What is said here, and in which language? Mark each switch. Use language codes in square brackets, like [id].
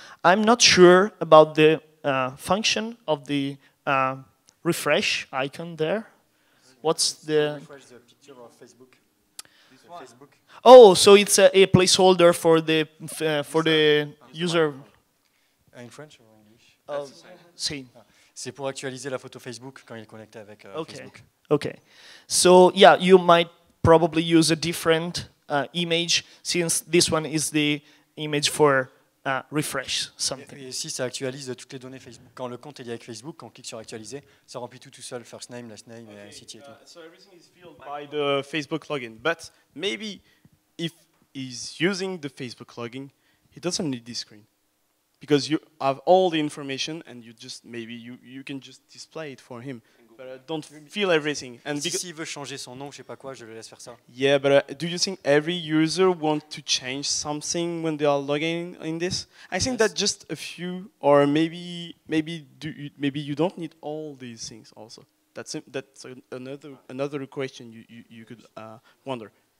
[en] I'm not sure about the function of the refresh icon there. What's the refresh the picture of Facebook? Facebook. Oh, so it's a placeholder for the user. In French or English? Same. [fr] C'est pour actualiser la photo Facebook quand il est connecté avec Facebook. [en] Okay. So yeah, you might probably use a different image since this one is the image for refresh something. [fr] Et si ça actualise toutes les données Facebook quand le compte est lié avec Facebook, quand on clique sur actualiser, ça remplit tout seul [en] first name, last name, okay. [fr] Et ainsi de suite. [en] So everything is filled by the Facebook login, but maybe if he's using the Facebook login, he doesn't need this screen because you have all the information and you just maybe you can just display it for him. But don't feel everything. And [fr] si s'il veut changer son nom, je sais pas quoi, je le laisse faire ça. [en] Yeah, but do you think every user wants to change something when they are logging in this? I think that just a few, or maybe you don't need all these things. Also, that's another question you could wonder.